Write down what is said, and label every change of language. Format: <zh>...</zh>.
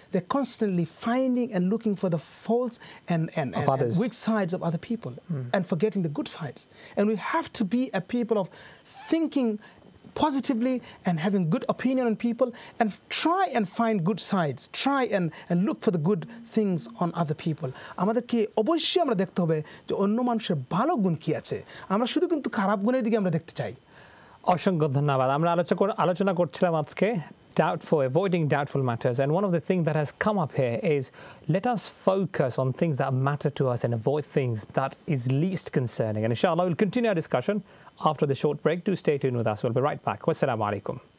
<en>They're constantly finding and looking for the faults and weak sides of other people, and forgetting the good sides. And we have to be a people of thinking positively and having good opinion on people, and try and find good sides. Try and look for the good things on other people.</en> <bn>আমাদেরকে অবশ্যই আমরা দেখতে হবে যে অন্য মানুষের ভালো গুণ কি আছে। আমরা শুধু কিন্তু খারাপ গুণের দিকে আমরা দেখতে চাই। অসংখ্য ধন্যবাদ। আমরা আলোচনা করছিলাম আজকে doubtful,</bn> <en>avoiding doubtful matters. And one of the things that has come up here is let us focus on things that matter to us and avoid things that is least concerning. And inshallah, we'll continue our discussion after the short break. Do stay tuned with us. We'll be right back. Wassalamu alaikum.</en>